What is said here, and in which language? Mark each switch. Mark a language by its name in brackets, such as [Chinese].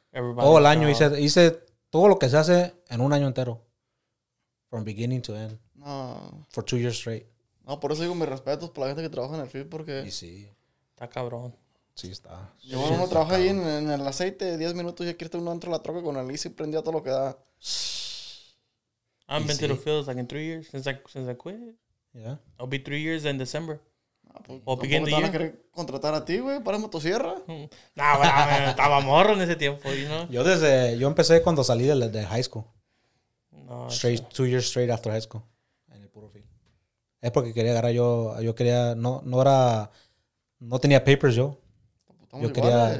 [Spanish] Everybody's todo el año job. Hice todo lo que se hace en un año entero. [English] From beginning to end. [Spanish] No. [English] For 2 years straight. [Spanish] No, por eso digo mis respetos por la gente que trabaja en el field, porque. Y sí. Está cabrón. Sí, está. Yo bueno, uno trabaja ahí en el aceite de 10 minutos y aquí está uno dentro de la troca con el ICE y prendía todo lo que da. [English] I've been to the field like in 3 years since I quit. Yeah. I'll be 3 years in December. [Spanish] ¿O me van a querer contratar a ti, güey, para motosierra? No, nah, bueno, estaba morro en ese tiempo, ¿no? Yo empecé cuando salí de high school. No, [English] straight, 2 years straight after high school. [Spanish] En el puro fin. Es porque quería agarrar yo. Yo quería. No, no era. No tenía papers yo. Yo quería.